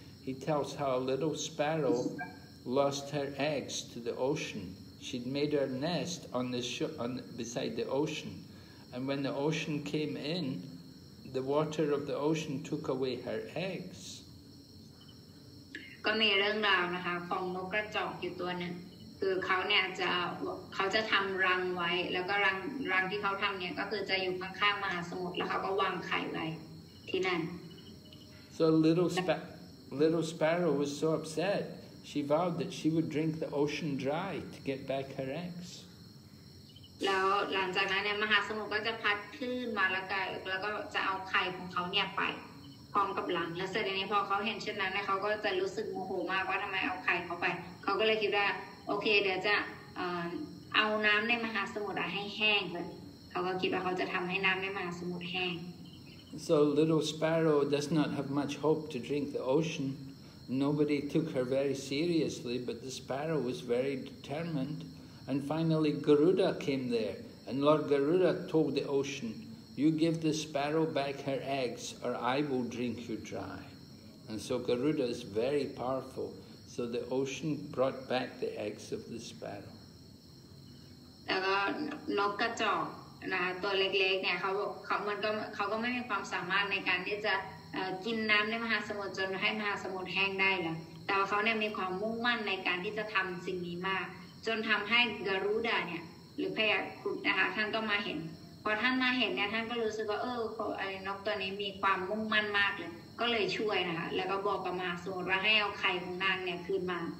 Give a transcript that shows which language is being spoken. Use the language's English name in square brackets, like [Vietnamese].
[English] He tells how a little sparrow lost her eggs to the ocean. She'd made her nest on the beside the ocean, and when the ocean came in, the water of the ocean took away her eggs. [Thai] ก็มีเรื่องราวนะคะของนกกระจอกอยู่ตัวนึงคือเขาจะทำรังไว้แล้วก็รังที่เขาทำเนี่ยก็คือจะอยู่ข้างๆมหาสมุทรแล้วเขาก็วางไข่ไว้ที่นั่น [English] So little sparrow was so upset. She vowed that she would drink the ocean dry to get back her eggs. [Thai] แล้วหลังจากนั้นเนี่ยมหาสมุทรก็จะพัดคลื่นมาแล้วก็จะเอาไข่ของเขาเนี่ยไปพร้อมกับรังแล้วเสร็จในนี้พอเขาเห็นเช่นนั้นเขาก็จะรู้สึกโมโหมากว่าทำไมเอาไข่เขาไปเขาก็เลยคิดว่าโอเคเดี๋ยวจะเอาน้ำในมหาสมุทรให้แห้งเลยเขาก็คิดว่าเขาจะทำให้น้ำในมหาสมุทรแห้ง [English] So little sparrow does not have much hope to drink the ocean. Nobody took her very seriously, but the sparrow was very determined. And finally Garuda came there, and Lord Garuda told the ocean, You give the sparrow back her eggs, or I will drink you dry. And so Garuda is very powerful. So the ocean brought back the eggs of the sparrow. [Thai] แล้วก็นกกระจอกนะคะตัวเล็กๆเนี่ยเขาก็ไม่มีความสามารถในการที่จะกินน้ำในมหาสมุทรจนให้มหาสมุทรแห้งได้หรอกแต่ว่าเขาเนี่ยมีความมุ่งมั่นในการที่จะทำสิ่งนี้มากจนทำให้Garudaเนี่ยหรือพญาครุฑนะคะท่านก็มาเห็นพอท่านมาเห็นเนี่ยท่านก็รู้สึกว่าไอ้นกตัวนี้มีความมุ่งมั่นมากเลยก็เลยช่วยนะคะแล้วก็บอกกับมหาสมุทรว่าให้เอาไข่ของนางเนี่ยคืนมา